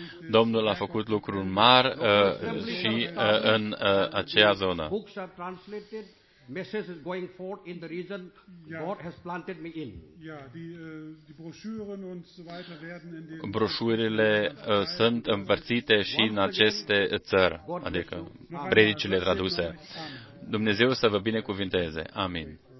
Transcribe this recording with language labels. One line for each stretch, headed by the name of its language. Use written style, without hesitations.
Romanian: Domnul a făcut lucruri mari și în aceea zonă.
English: Message is going forth in the region God has planted me in.
German: Die
Romanian: broșurile
German: und so weiter werden in den
Romanian: broșurile sunt împărțite și în aceste țări, adică predicile traduse. Dumnezeu să vă binecuvinteze. Amin.